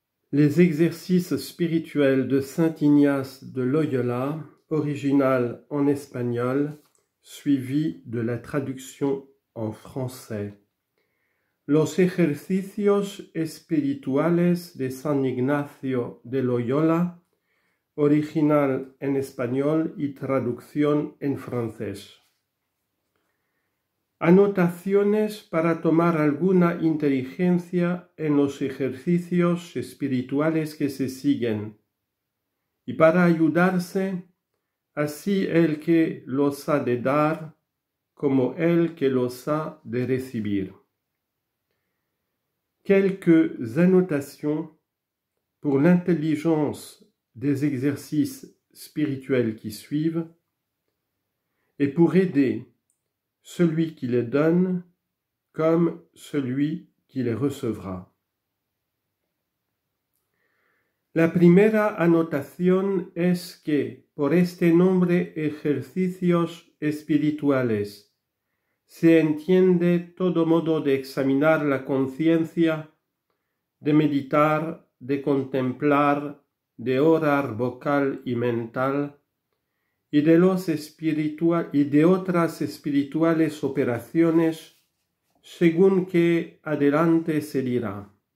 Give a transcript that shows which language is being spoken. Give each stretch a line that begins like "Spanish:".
French: Les exercices spirituels de Saint Ignace de Loyola, original en espagnol, suivi de la traduction en français.
Spanish: Los ejercicios espirituales de San Ignacio de Loyola, original en español y traducción en francés. Anotaciones para tomar alguna inteligencia en los ejercicios espirituales que se siguen y para ayudarse, así el que los ha de dar como el que los ha de recibir.
French: Quelques annotations pour l'intelligence des exercices spirituels qui suivent et pour aider celui qui les donne comme celui qui les recevra.
Spanish: La primera anotación es que por este nombre ejercicios espirituales se entiende todo modo de examinar la conciencia, de meditar, de contemplar, de orar vocal y mental, y de los y de otras espirituales operaciones, según que adelante se dirá.